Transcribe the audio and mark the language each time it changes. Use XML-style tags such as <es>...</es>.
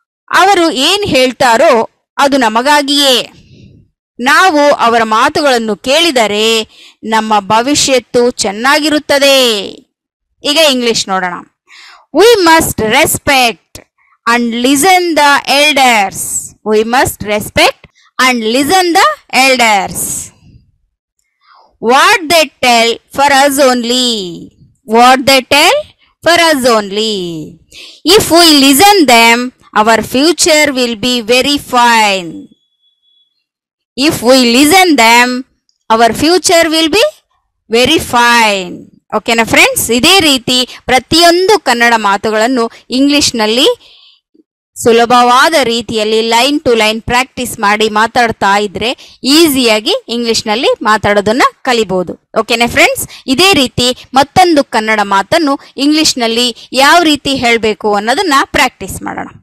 <kn>ಅವರು ಏನು ಹೇಳ್ತಾರೋ ಅದು ನಮಗಾಗಿಯೇ. ನಾವು ಅವರ ಮಾತುಗಳನ್ನು ಕೇಳಿದರೆ ನಮ್ಮ ಭವಿಷ್ಯತ್ತು ಚೆನ್ನಾಗಿರುತ್ತದೆ. ಈಗ ಇಂಗ್ಲಿಷ್ ನೋಡೋಣ.</kn> <en>We must respect and listen the elders. We must respect and listen the elders. What they tell for us only. What they tell for us only. If we listen them, our future will be very fine. If we listen them, our future will be very fine.</en> <kn>ಓಕೆನಾ friends, ಇದೇ ರೀತಿ ಪ್ರತಿಯೊಂದು ಕನ್ನಡ ಮಾತುಗಳನ್ನು ಇಂಗ್ಲಿಷ್ನಲ್ಲಿ ಸುಲಭವಾದ ರೀತಿಯಲ್ಲಿ line to line practice ಮಾಡಿ ಮಾತಾಡ್ತಾ ಇದ್ರೆ ಈಸಿಯಾಗಿ ಇಂಗ್ಲಿಷ್ನಲ್ಲಿ ಮಾತಾಡೋದನ್ನ ಕಲಿಬಹುದು. ಓಕೆನಾ ಫ್ರೆಂಡ್ಸ್, ಇದೇ ರೀತಿ ಮತ್ತೊಂದು ಕನ್ನಡ ಮಾತನ್ನು ಇಂಗ್ಲಿಷ್ನಲ್ಲಿ ಯಾವ ರೀತಿ ಹೇಳಬೇಕು ಅನ್ನೋದನ್ನ ಪ್ರಾಕ್ಟೀಸ್ ಮಾಡೋಣ.</kn>